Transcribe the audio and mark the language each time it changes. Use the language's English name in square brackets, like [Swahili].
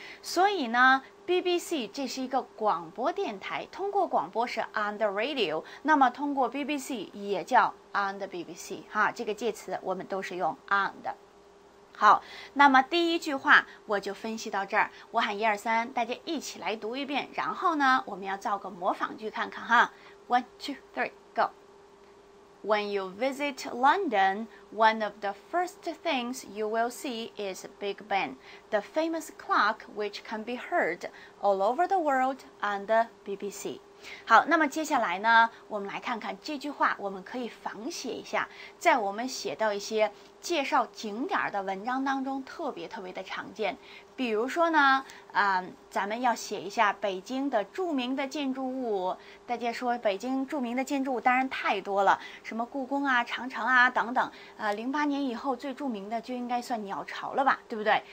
[Chinese] 所以呢 BBC 这是一个广播电台，通过广播是 [English] on the radio， [Chinese] 那么通过 BBC 也叫 [English] on the BBC， [Chinese] 哈，这个介词我们都是用 on 的。好，那么第一句话我就分析到这儿，我喊一二三，大家一起来读一遍，然后呢我们要造个模仿句看看哈。 [English] 1, 2, 3, go. When you visit London, one of the first things you will see is Big Ben, the famous clock which can be heard all over the world on the BBC. [Chinese] 好，那么接下来呢我们来看看这句话，我们可以仿写一下，在我们写到一些介绍景点的文章当中特别特别的常见。比如说呢，咱们要写一下北京的著名的建筑物，大家说北京著名的建筑物当然太多了，什么故宫啊、长城啊等等，08年以后最著名的就应该算鸟巢了吧，对不对？